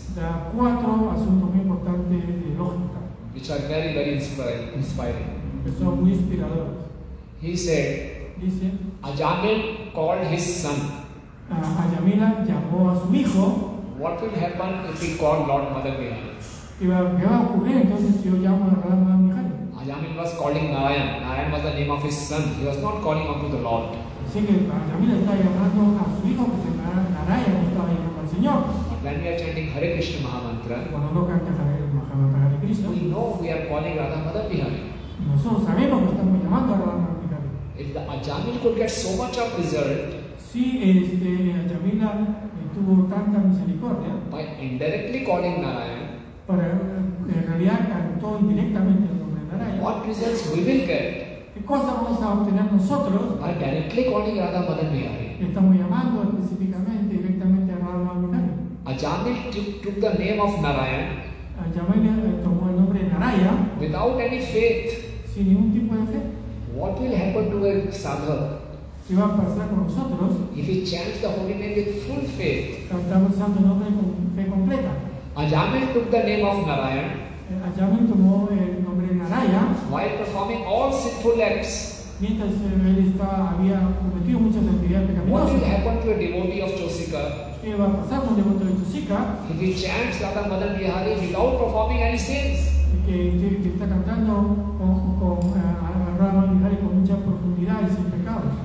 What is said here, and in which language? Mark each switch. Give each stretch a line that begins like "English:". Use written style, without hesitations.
Spanish: Da cuatro asuntos muy importantes de lógica.
English: Which are very, very inspiring.
Spanish: Son muy inspiradores.
English: He said,
Spanish: dice,
English: Ajamil called his son.
Spanish: Ajamila llamó a su hijo.
English: What will happen if he called Lord Mother Vihara?
Spanish: ¿Qué va a ocurrir entonces si yo llamo a
English: Lord Mother Vihara? Ajamil was calling Narayan. Narayan was the name of his son. He was not calling unto the Lord.
Spanish: Así que Ajamila está llamando a su hijo porque Narayan no estaba llamando al Señor.
English: When we are chanting Hare Krishna Mahamantra,
Spanish: Hare Krishna,
English: we know we are calling Radha Madhav Bihari.
Spanish: Nosotros sabemos que estamos llamando a Radha Madhav Bihari.
English: If the Ajamil could get so much of result,
Spanish: si este Ajamila tuvo tanta misericordia,
English: by indirectly calling Narayan,
Spanish: para en realidad cantó indirectamente el nombre de Narayan,
English: what results we will get?
Spanish: ¿Qué cosa vamos a obtener nosotros?
English: By directly calling Radha Madhav Bihari.
Spanish: Estamos llamando específicamente directamente a Radha Madhav Bihari.
English: Ajamil took the name of Narayan.
Spanish: Ajamil tomó el nombre de Narayan.
English: Without any faith.
Spanish: Sin ningún tipo de fe.
English: What will happen to a sadhu?
Spanish: ¿Qué va a pasar con nosotros?
English: If he chants the holy name with full faith.
Spanish: Cantamos el santo nombre con fe completa.
English: Ajamil took the name of Narayan.
Spanish: Ajamil tomó el nombre de Narayan.
English: While performing all sinful acts.
Spanish: Mientras él estaba, había cometido muchas actividades pecaminosas.
English: What will happen to a devotee of Chosica?
Spanish: ¿Qué va a pasar con el devoto de Chosica?
English: If he chants Radha Madhav Bihari without performing any sins.
Spanish: Que está cantando con Radha Bihari con mucha profundidad y sin pecados.